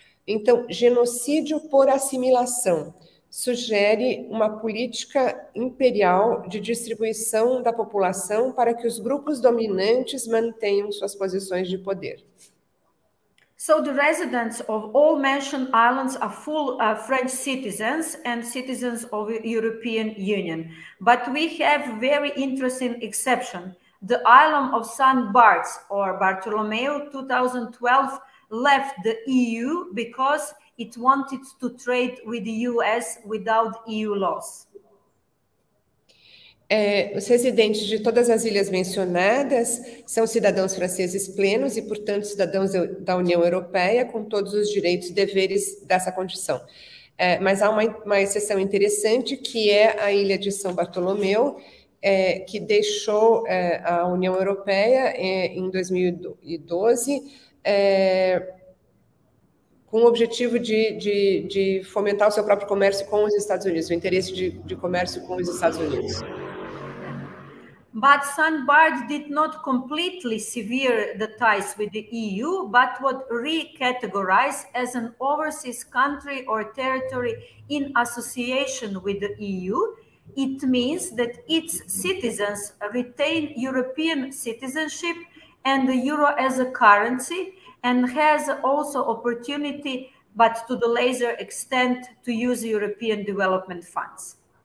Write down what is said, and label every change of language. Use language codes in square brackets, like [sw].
[pt] Então, genocídio por assimilação sugere uma política imperial de distribuição da população para que os grupos dominantes mantenham suas posições de poder. [en] So the residents of all mentioned islands are full French citizens and citizens of the European Union. But we have very interesting exception. The island of Saint Barts or Bartolomeu 2012 left the EU because it wanted to trade with the US without EU laws. [pt] Os residentes de todas as ilhas mencionadas são cidadãos franceses plenos e, portanto, cidadãos da União Europeia com todos os direitos e deveres dessa condição. Mas há uma exceção interessante, que é a ilha de São Bartolomeu, que deixou a União Europeia em 2012, com o objetivo de fomentar o seu próprio comércio com os Estados Unidos, o interesse de comércio com os Estados Unidos. [en] But Sandbard did not completely sever the ties with the EU, but would recategorize as an overseas country or territory in association with the EU. It means that its citizens retain European citizenship and the euro as a currency, and has also opportunity, but to the lesser extent, to use European development funds.